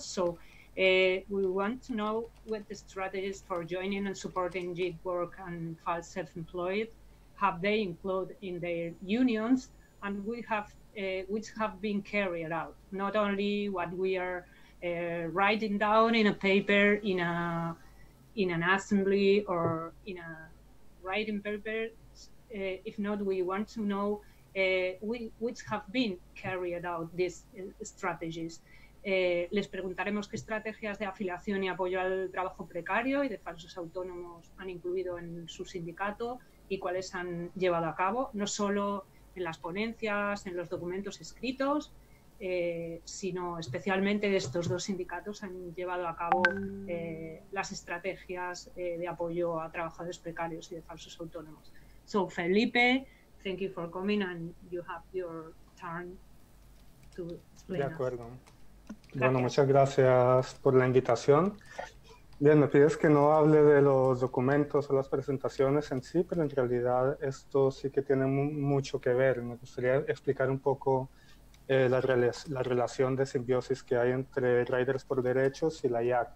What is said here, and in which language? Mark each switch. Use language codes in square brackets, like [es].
[en] So we want to know what the strategies for joining and supporting gig work and false self-employed have they included in their unions, and we have which have been carried out, not only what we are writing down in a paper in an assembly or in a writing paper. If not, we want to know which have been carried out these strategies. [es] Les preguntaremos qué estrategias de afiliación y apoyo al trabajo precario y de falsos autónomos han incluido en su sindicato y cuáles han llevado a cabo, no solo en las ponencias, en los documentos escritos, sino especialmente estos dos sindicatos han llevado a cabo las estrategias de apoyo a trabajadores precarios y de falsos autónomos. [en] So, Felipe, thank you for coming, and you have your turn to explain. [es] De acuerdo. Gracias. Bueno, muchas gracias por la invitación. Bien, me pides que no hable de los documentos o las presentaciones en sí, pero en realidad esto sí que tiene mucho que ver. Me gustaría explicar un poco la relación de simbiosis que hay entre Riders por Derechos y la IAC.